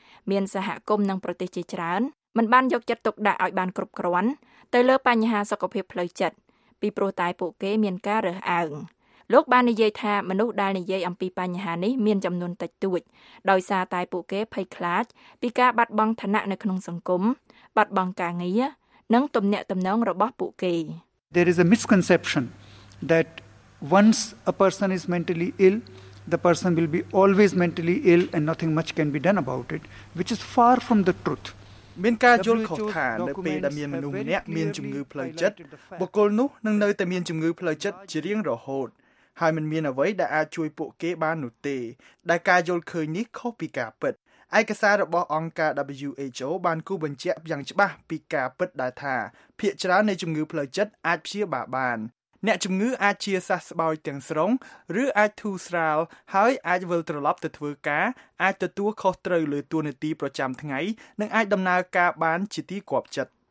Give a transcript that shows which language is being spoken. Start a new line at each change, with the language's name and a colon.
Khmer: មានសហគមន៍និងប្រទេសជាច្រើនមិនបានយកចិត្តទុកដាក់ឲ្យបានគ្រប់គ្រាន់ទៅលើបញ្ហាសុខភាពផ្លូវចិត្តពីព្រោះតែពួកគេមានការរើសអើងលោកបាននិយាយថាមនុស្សដែលនិយាយអំពីបញ្ហានេះមានចំនួនតិចតួចដោយសារតែពួកគេភ័យខ្លាចពីការបាត់បង់ឋានៈនៅក្នុងសង្គមបាត់បង់ការងារនិងទំនាក់ទំនងរបស់ពួកគេ
English: There is a misconception that once a person is mentally ill the person will be always mentally ill and nothing much can be done about it which is far from the truth
Khmer: មានការយល់ខុសថានៅពេលដែលមានមនុស្សម្នាក់មានជំងឺផ្លូវចិត្តបុគ្គលនោះនឹងនៅតែមានជំងឺផ្លូវចិត្តជារៀងរហូត ហើយមិនមានអ្វីដែលអាចជួយពួកគេបាននោះទេដែលការយល់ឃើញនេះខុសពីការពិតឯកសាររបស់អង្គការ WHO បានគូបញ្ជាក់យ៉ាងច្បាស់ពីការពិតដែលថាភាគច្រើននៃជំងឺផ្លូវចិត្តអាចព្យាបាលបានអ្នកជំងឺអាចជាសះស្បើយទាំងស្រុងឬអាចធូរស្រាលហើយអាចវិលត្រឡប់ទៅធ្វើការអាចទទួលខុសត្រូវលើតួនាទីប្រចាំថ្ងៃនិងអាចដំណើរការបានជាទីគាប់ចិត្ត